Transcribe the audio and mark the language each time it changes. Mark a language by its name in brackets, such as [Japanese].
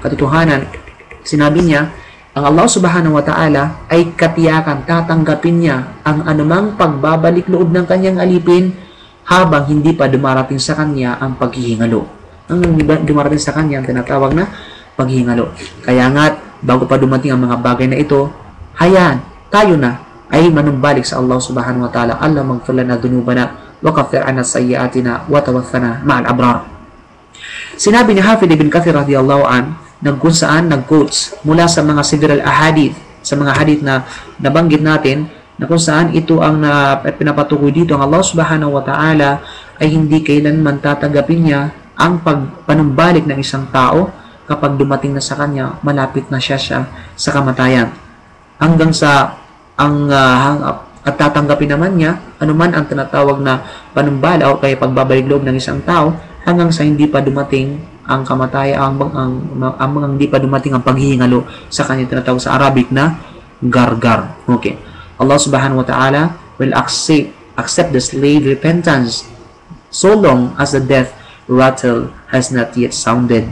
[Filipino] Katotohanan, sinabi niya, ang Allah subhanahu wa ta'ala ay katiyakan tatanggapin niya ang anumang pagbabalik loob ng kanyang alipin habang hindi pa dumarating sa kanya ang paghihingalo. Ang dumarating sa kanya ang tinatawag na paghihingalo. Kaya nga't, bago pa dumating ang mga bagay na ito, hayaan tayo na ay manumbalik sa Allah subhanahu wa ta'ala. [Arabic] Allah magfirlana dunubana وكفر عنا سيئاتنا وتوفنا مع الأبرار. [Filipino] Sinabi ni Hafidh ibn Kathir radiyallahu an, nagkunsaan, nag-quotes mula sa mga several ahadith, sa mga hadith na nabanggit natin, na kung saan ito ang pinapatukoy dito, ang Allah subhanahu wa ta'ala ay hindi kailanman tatanggapin niya ang panumbalik ng isang tao kapag dumating na sa kanya, malapit na siya sa kamatayan. Hanggang sa at tatanggapin naman niya anuman ang tinatawag na panumbala o kaya pagbabalik loob ng isang tao hanggang sa hindi pa dumating ang kamatay ang hindi pa dumating ang paghihingalo sa kanya, tinatawag sa Arabic na gargar. [English] Okay, Allah subhanahu wa ta'ala will accept the slave repentance so long as the death rattle has not yet sounded.